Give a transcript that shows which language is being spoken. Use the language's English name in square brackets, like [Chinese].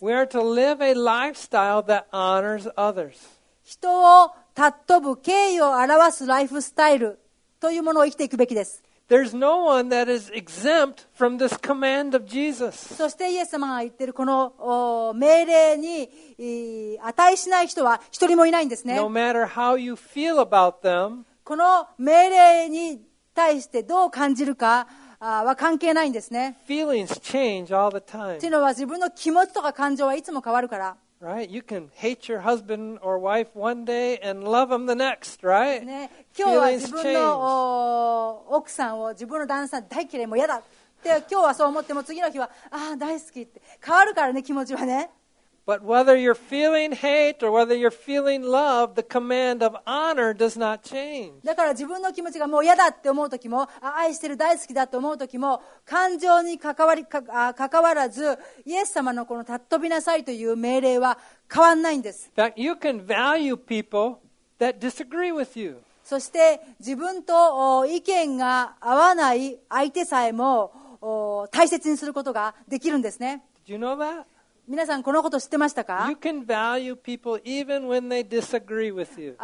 [English] We are to live a lifestyle that honors others. [Japanese] 人を尊ぶ敬意を表すライフスタイルというものを生きていくべきです。 [English] There's no one that is exempt from this command of Jesus. [Japanese] そしてイエス様が言っているこの命令に値しない人は一人もいないんですね。 [English] No matter how you feel about them, [Japanese] この命令に対してどう感じるかは関係ないんですね。 [English] Feelings change all the time. [Japanese] というのは自分の気持ちとか感情はいつも変わるから。 [English] Right? You can hate your husband or wife one day and love them the next, right? [Japanese] ね、今日は自分の奥さんを自分の旦那さん大嫌いも嫌だって今日はそう思っても次の日はああ大好きって変わるからね気持ちはね。 [English] But whether you're feeling hate or whether you're feeling love, the command of honor does not change. [Japanese] だから自分の気持ちがもう嫌だって思う時も、愛してる大好きだと思う時も、感情に関わらず、イエス様のこの尊びなさいという命令は変わんないんです。 [English] In fact, you can value people that disagree with you. [Japanese] そして自分と意見が合わない相手さえも大切にすることができるんですね。 [English] Did you know that? [Japanese] 皆さんこのこと知ってましたか？ [English] You can value people even when they disagree with you.